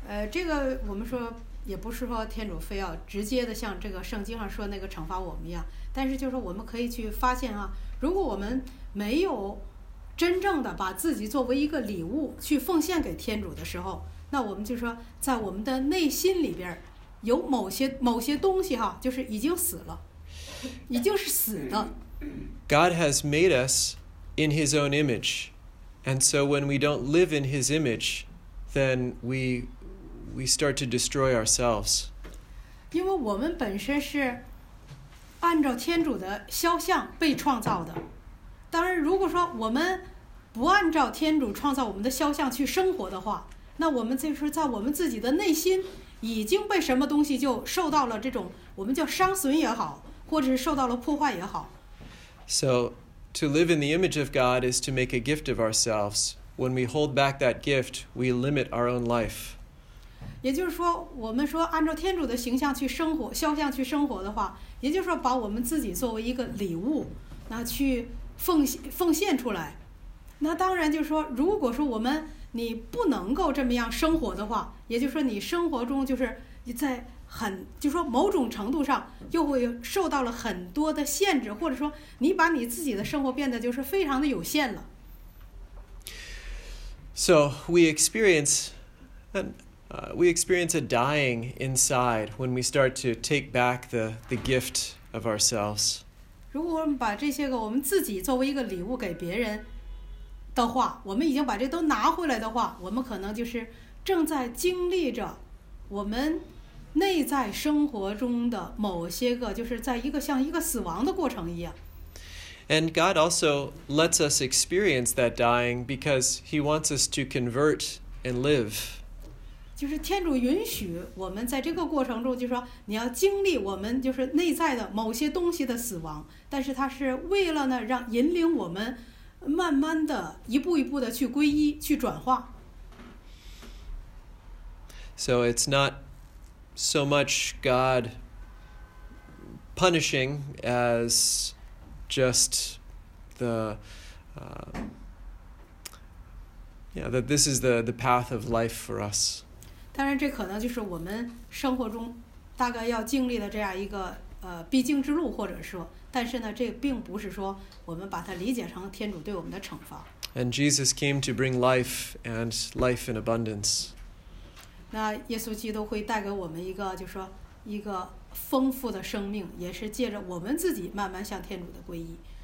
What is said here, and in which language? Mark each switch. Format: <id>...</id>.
<zh>这个我们说也不是说天主非要直接的像这个圣经上说那个惩罚我们一样，但是就是我们可以去发现啊，如果我们没有真正的把自己作为一个礼物去奉献给天主的时候，那我们就说在我们的内心里边有某些东西哈，就是已经死了，已经是死的。</zh> <en>God has made us in His own image, and so when we don't live in His image, then we start to destroy ourselves.</en> <zh>因为我们本身是按照天主的肖像被创造的，当然如果说我们不按照天主创造我们的肖像去生活的话，那我们就是在我们自己的内心已经被什么东西就受到了这种我们叫伤损也好，或者是受到了破坏也好。</zh> <en>So, to live in the image of God is to make a gift of ourselves. When we hold back that gift, we limit our own life.</en> <zh>也就是说，我们说按照天主的形象去生活，肖像去生活的话，也就是说把我们自己作为一个礼物，那去奉献出来，那当然就是说，如果说我们你不能够这么样生活的话，也就是说你生活中就是在很就说某种程度上又会受到了很多的限制，或者说你把你自己的生活变得就是非常的有限了。</zh> <en>So we experience we experience a dying inside when we start to take back the gift of ourselves.</en> <zh>如果我们把这些个我们自己作为一个礼物给别人的话，我们已经把这都拿回来的话，我们可能就是正在经历着我们内在生活中的某些个，就是在一个像一个死亡的过程一样。</zh> <en>And God also lets us experience that dying because He wants us to convert and live.</en> <zh>就是天主允许我们在这个过程中，就是说你要经历我们就是内在的某些东西的死亡，但是他是为了呢让引领我们慢慢的一步一步的去皈依，去转化。</zh> <en>So it's not so much God punishing as just the that this is the path of life for us.</en> <zh>当然，这可能就是我们生活中大概要经历的这样一个必经之路，或者说，但是呢，这并不是说我们把它理解成天主对我们的惩罚。</zh> <en>And Jesus came to bring life and life in abundance.</en> <zh>那耶稣基督会带给我们一个，就是说一个丰富的生命，也是借着我们自己慢慢向天主的皈依。</zh>